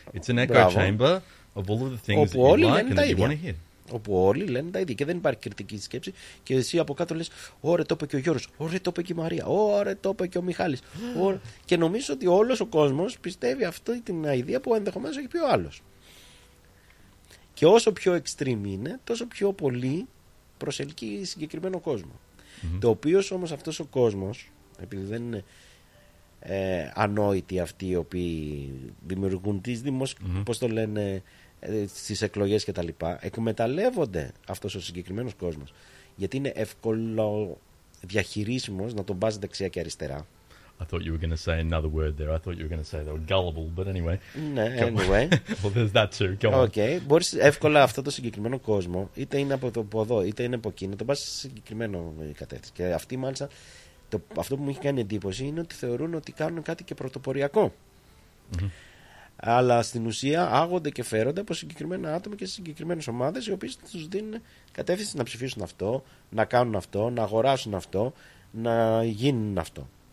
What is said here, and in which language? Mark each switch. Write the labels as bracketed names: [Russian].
[English] It's an echo chamber of all of the things that you like and that you want to hear. [Greek] Όπου όλοι λένε τα ίδια και δεν υπάρχει κριτική σκέψη και εσύ από κάτω λες ωραία το είπε και ο Γιώργος, ωραία το είπε και η Μαρία, ωραία το είπε και ο Μιχάλης και νομίζω ότι όλος ο κόσμος πιστεύει αυτή την ιδέα που ενδεχομένως έχει πει ο άλλος και όσο πιο extreme είναι τόσο πιο πολύ προσελκύει συγκεκριμένο κόσμο το οποίο όμως αυτός ο κόσμος επειδή δεν είναι ανόητοι αυτοί οι οποίοι δημιουργούν τις πώς το λένε στις εκλογές και τα λοιπά εκμεταλλεύονται αυτός ο συγκεκριμένος κόσμος γιατί είναι εύκολο διαχειρίσιμος να τον πας δεξιά και αριστερά. [English] I thought you were going to say another word there. I thought you were going to say they were gullible, but anyway. [Greek] Ναι, [English] anyway. Well, there's that too. Go on. Okay. [Greek] Μπορείς εύκολα αυτό το συγκεκριμένο κόσμο είτε είναι από εδώ είτε είναι από εκεί να τον πας σε συγκεκριμένο κατεύθυνση και αυτοί μάλιστα αυτό που μου έχει κάνει εντύπωση είναι ότι θεωρούν ότι κάνουν κάτι και πρωτοποριακό. Αλλά στην ουσία άγονται και φέρονται από συγκεκριμένα άτομα και συγκεκριμένες ομάδες οι οποίες τους δίνουν κατεύθυνση να ψηφίσουν αυτό, να κάνουν αυτό, να αγοράσουν αυτό, να γίνουν αυτό.